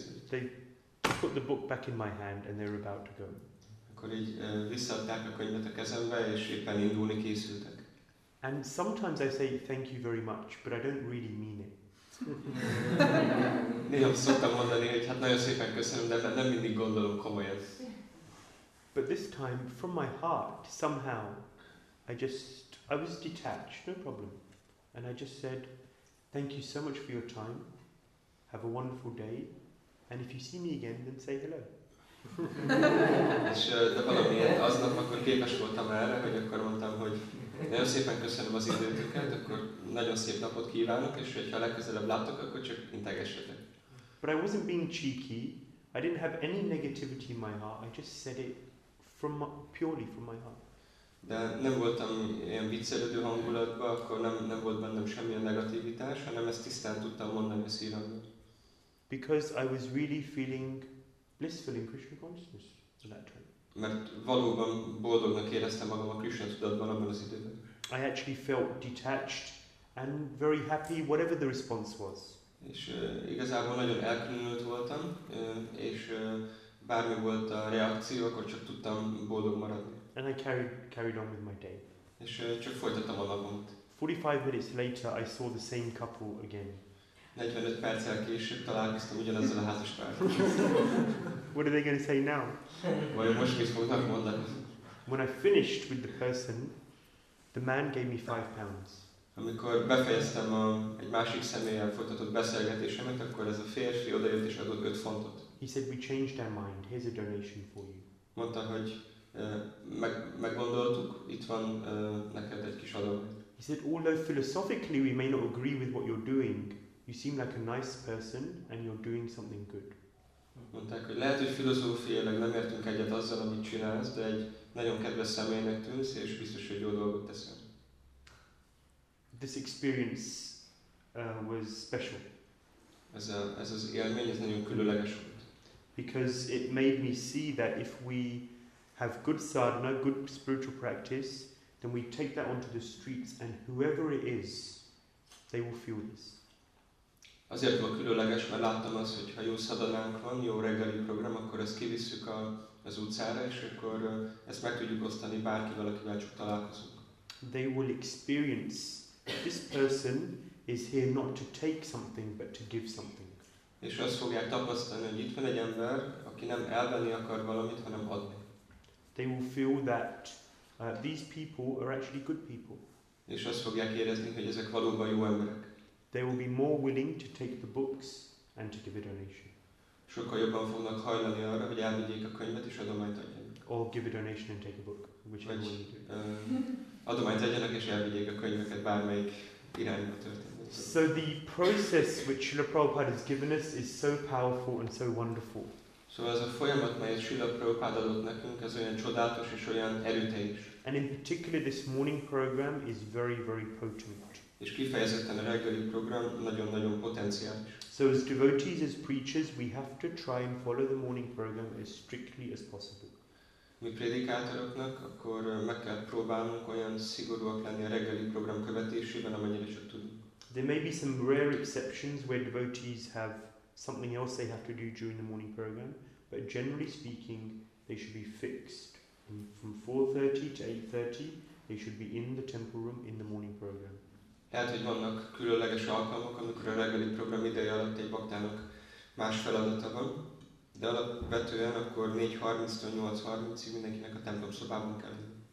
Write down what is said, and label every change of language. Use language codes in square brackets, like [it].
[en] They put the book back in my hand and they were about to go. And sometimes I say thank you very much, but I don't really mean it. [hu] Néha szoktam mondani, hogy hát nagyon szépen köszönöm, de nem mindig gondolom komolyan. [en] But this time, from my heart, somehow, I was detached, no problem. And I just said, thank you so much for your time, have a wonderful day, and if you see me again, then say hello. [hu] És de valamiért aznap, akkor képes voltam erre, hogy akkor mondtam, hogy nagyon szépen köszönöm az időtöket, akkor nagyon szép napot kívánok, és hogyha legközelebb látok, akkor csak integessetek. [en] But I wasn't being cheeky. I didn't have any negativity in my heart. I just said it from purely from my heart. [hu] De nem voltam ilyen viccelődő hangulatban, akkor nem volt bennem semmilyen negativitás, hanem ezt tisztán tudtam mondani a szívemben. [en] Because I was really feeling blissful in Krishna consciousness at that time. [hu] Mert valóban boldognak éreztem magam a Krishna tudatban abban az időben. [en] I actually felt detached and very happy, whatever the response was. [hu] És igazából nagyon elkülönült voltam, és bármi volt a reakció, akkor csak tudtam boldog maradni. [en] And I carried on with my day. [hu] És csak folytattam a napomat. [en] 45 minutes later, I saw the same couple again. [hu] 45 perccel később találkoztam ugyanazzal a házaspárral. [en] What are they going to say now? [hu] Vajon most mit fognak mondani? [en] When I finished with the person, the man gave me £5. [hu] Amikor befejeztem egy másik személlyel folytatott beszélgetésemet, akkor ez a férfi odajött és adott 5 fontot. [en] He said, we changed our mind. Here's a donation for you. [hu] Mondta, hogy meggondoltuk, itt van neked egy kis adag. [en] He said, although philosophically we may not agree with what you're doing, you seem like a nice person and you're doing something good. [hu] Mondták, hogy lehet, hogy filozófiailag nem értünk egyet azzal, amit csinálsz, de egy nagyon kedves személynek tűnsz, és biztos, hogy jó dolgot teszel. [en] This experience was special. [hu] Ez az élmény, ez nagyon különleges volt. [en] Because it made me see that if we have good sadhana, good spiritual practice, then we take that onto the streets and whoever it is, they will feel this. [hu] Azért volt különleges, mert láttam azt, hogy ha jó szadalánk van, jó reggeli program, akkor ezt kivisszük az utcára, és akkor ezt meg tudjuk osztani bárkivel, akivel csak találkozunk. [en] They will experience this person is here not to take something, but to give something. [hu] És azt fogják tapasztalni, hogy itt van egy ember, aki nem elvenni akar valamit, hanem adni. [en] They will feel that these people are actually good people. [hu] És azt fogják érezni, hogy ezek valóban jó emberek. [en] They will be more willing to take the books and to give a donation. [hu] Sokkal jobban fognak hajlani arra, hogy elvigyék a könyvet és adományt adjanak. [en] Or give a donation and take a book, whichever way you do. [hu] Adományt adjanak és elvigyék a könyveket bármelyik irányba történik. [en] So the process which Srila Prabhupada has given us is so powerful and so wonderful. [hu] Szóval ez a folyamat, melyet Srila Prabhupada adott nekünk, ez olyan csodálatos és olyan erőteljes. [en] And in particular this morning program is very, very potent. [hu] És kifejezetten a reggeli program nagyon-nagyon potenciális. [en] So as devotees, as preachers, we have to try and follow the morning program as strictly as possible. [hu] Mi prédikátoroknak, akkor meg kell próbálnunk olyan szigorúak lenni a reggeli program követésében, amennyire csak tudunk. [en] There may be some rare exceptions where devotees have something else they have to do during the morning program, but generally speaking, they should be fixed. And from 4:30 to 8:30, they should be in the temple room in the morning program. [hu] Lehet, hogy vannak különleges alkalmak, amikor a reggeli program ideje alatt egy baktának más feladata van, de alapvetően akkor 4:30-től 8:30-ig mindenkinek a templom szobában kell lenni.